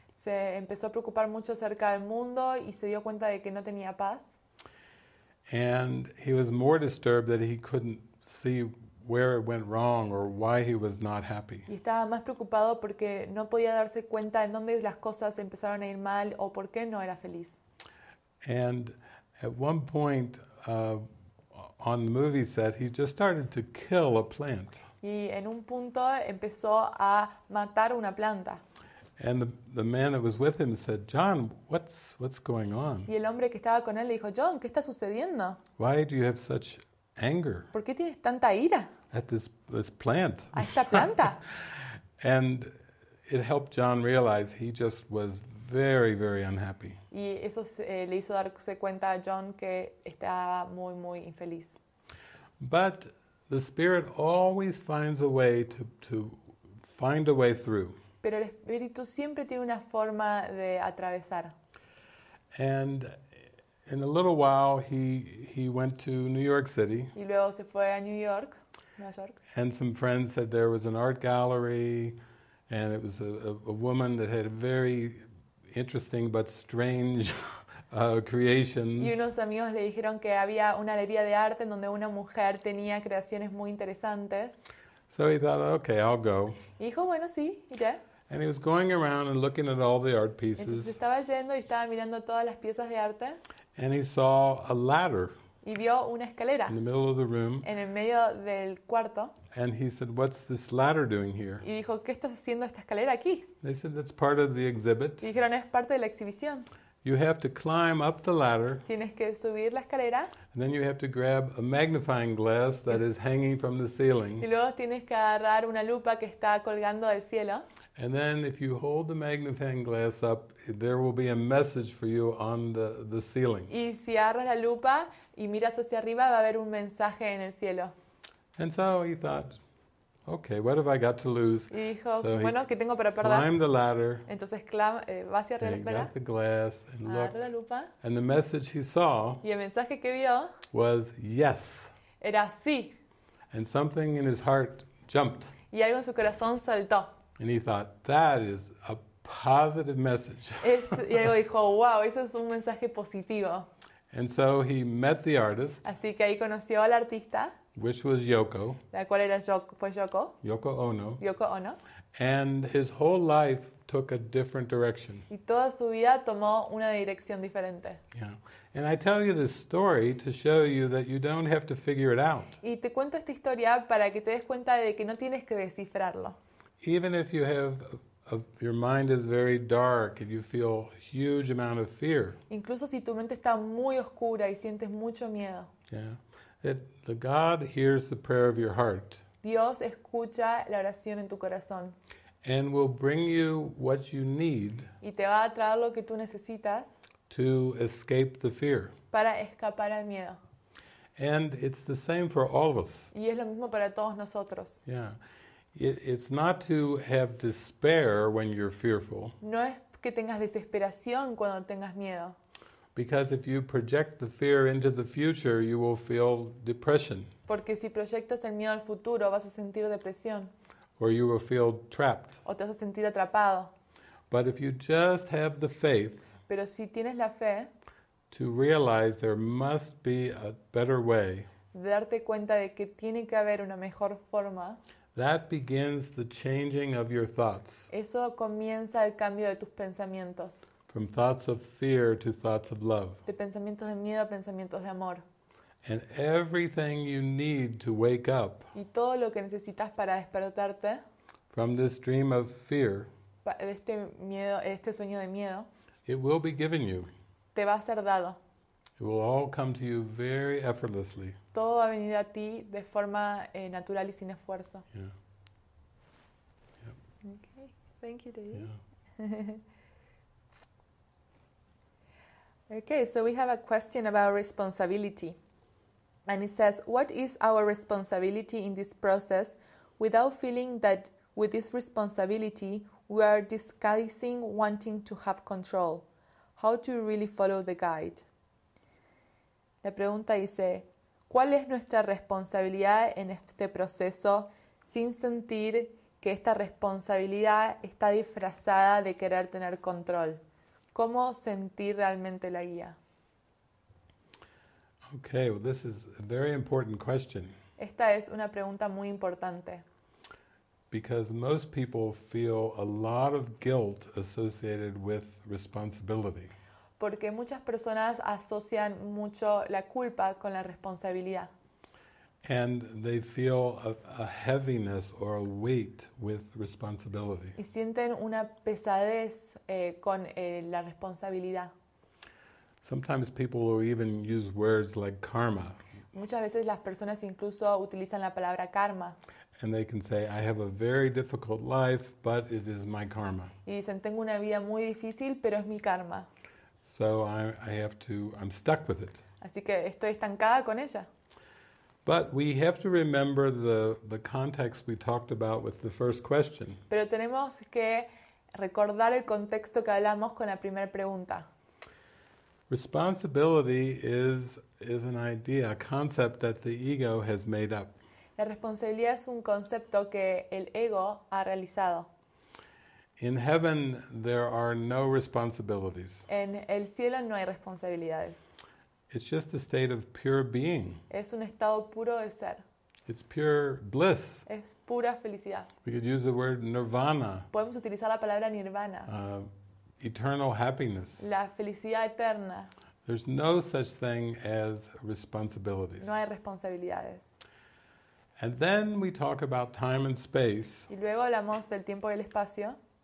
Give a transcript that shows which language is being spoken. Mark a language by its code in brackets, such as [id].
[es] Se empezó a preocupar mucho acerca del mundo y se dio cuenta de que no tenía paz. [en] And he was more disturbed that he couldn't see where it went wrong or why he was not happy. [es] Y estaba más preocupado porque no podía darse cuenta en dónde las cosas empezaron a ir mal o por qué no era feliz. [en] And at one point on the movie set, he just started to kill a plant. [es] Y en un punto empezó a matar una planta. [en] And the man that was with him said, "John, what's going on?" [es] Y el hombre que estaba con él le dijo, "John, ¿qué está sucediendo?" [en] "Why do you have such anger?" [es] ¿Por qué tienes tanta ira? [en] "At this plant." [es] A esta planta. [en] And it helped John realize he just was very, very unhappy. [es] Y eso le hizo darse cuenta a John que estaba muy, muy infeliz. [en] But the spirit always finds a way to find a way through. [es] Pero el espíritu siempre tiene una forma de atravesar. [en] And in a little while he went to New York City. [es] Y luego se fue a New York, Nueva York. [en] And some friends said there was an art gallery, and it was a woman that had very interesting but strange creations. [es] Y unos amigos le dijeron que había una galería de arte en donde una mujer tenía creaciones muy interesantes. [en] So he thought, okay, I'll go. [es] Y dijo, bueno, sí, iré. [en] And he was going around and looking at all the art pieces. [es] Entonces estaba yendo y estaba mirando todas las piezas de arte. [en] And he saw a ladder. [es] Y vio una escalera. [en] In the middle of the room. [es] En el medio del cuarto. [en] And he said, "What's this ladder doing here?" [es] Y dijo, ¿qué está haciendo esta escalera aquí? [en] They said, "That's part of the exhibit." [es] Y dijeron, es parte de la exhibición. [en] "You have to climb up the ladder." [es] Tienes que subir la escalera. [en] "And then you have to grab a magnifying glass that is hanging from the ceiling." [es] Y luego tienes que agarrar una lupa que está colgando del cielo. [en] "And then if you hold the magnifying glass up, there will be a message for you on the ceiling." [es] Y si agarras la lupa y miras hacia arriba, va a haber un mensaje en el cielo. [en] And so he thought, "Okay, what have I got to lose?" [es] Y dijo, so bueno, ¿qué tengo para perder? [en] Climbed the ladder. [es] Entonces va hacia arriba de la escalera. [en] Got the glass and looked. [es] Agarra la lupa. [en] And the message he saw. [es] Y el mensaje que vio. [en] Was yes. [es] Era sí. [en] And something in his heart jumped. [es] Y algo en su corazón saltó. [en] And he thought, "That is a positive message." [es] Y él dijo, "Wow, eso es un mensaje positivo." [en] And so he met the artist. [es] Así que ahí conoció al artista. [en] Which was Yoko. [es] La cual era fue Yoko. [en] Yoko Ono. [es] Yoko Ono. [en] And his whole life took a different direction. [es] Y toda su vida tomó una dirección diferente. [en] Yeah. And I tell you this story to show you that you don't have to figure it out. [es] Y te cuento esta historia para que te des cuenta de que no tienes que descifrarlo. [en] Even if you have your mind is very dark and you feel a huge amount of fear. [es] Incluso si tu mente está muy oscura y sientes mucho miedo. [en] Yeah. The God hears the prayer of your heart. [es] Dios escucha la oración en tu corazón. [en] And will bring you what you need. [es] Y te va a traer lo que tú necesitas. [en] To escape the fear. [es] Para escapar al miedo. [en] And it's the same for all of us. [es] Y es lo mismo para todos nosotros. [en] Yeah. It's not to have despair when you're fearful. [es] No es que tengas desesperación cuando tengas miedo. [en] Because if you project the fear into the future, you will feel depression. [es] Porque si proyectas el miedo al futuro, vas a sentir depresión. [en] Or you will feel trapped. [es] O te vas a sentir atrapado. [en] But if you just have the faith. [es] Pero si tienes la fe. [en] To realize there must be a better way. [es] De darte cuenta de que tiene que haber una mejor forma. [en] That begins the changing of your thoughts. [es] Eso comienza el cambio de tus pensamientos. [en] From thoughts of fear to thoughts of love. [es] De pensamientos de miedo a pensamientos de amor. [en] And everything you need to wake up. [es] Y todo lo que necesitas para despertarte. [en] from this dream of fear, [es] este miedo, este sueño de miedo, [en] it will be given you. [es] Te va a ser dado. [en] It will all come to you very effortlessly. [es] Todo va a venir a ti de forma natural y sin esfuerzo. [en] Yeah. Yeah. Okay, thank you, David. Yeah. Okay, so we have a question about responsibility. And it says, what is our responsibility in this process without feeling that with this responsibility we are disguising wanting to have control? How to really follow the guide? [es] La pregunta dice, ¿cuál es nuestra responsabilidad en este proceso sin sentir que esta responsabilidad está disfrazada de querer tener control? ¿Cómo sentir realmente la guía? [en] Okay, well, this is a very important question. [es] Esta es una pregunta muy importante. [en] Because most people feel a lot of guilt associated with responsibility. [es] Porque muchas personas asocian mucho la culpa con la responsabilidad. [en] And they feel a heaviness or a weight with responsibility. [es] Y sienten una pesadez con la responsabilidad. [en] Sometimes people will even use words like karma. [es] Muchas veces las personas incluso utilizan la palabra karma. [en] And they can say, I have a very difficult life, but it is my karma. [es] Y dicen, tengo una vida muy difícil, pero es mi karma. [en] So I'm stuck with it. [es] Así que estoy estancada con ella. [en] But we have to remember the context we talked about with the first question. [es] Pero tenemos que recordar el contexto que hablamos con la primera pregunta. [en] Responsibility is an idea, a concept that the ego has made up. [es] La responsabilidad es un concepto que el ego ha realizado. [en] In heaven, there are no responsibilities. [es] En el cielo no hay responsabilidades. [en] It's just a state of pure being. [es] Es un estado puro de ser. [en] It's pure bliss. [es] Es pura felicidad. [en] We could use the word nirvana. [es] Podemos utilizar la palabra nirvana. [en] Eternal happiness. [es] La felicidad eterna. [en] There's no such thing as responsibilities. [es] No hay responsabilidades. [en] And then we talk about time and space. [es] Y luego hablamos del tiempo y el espacio.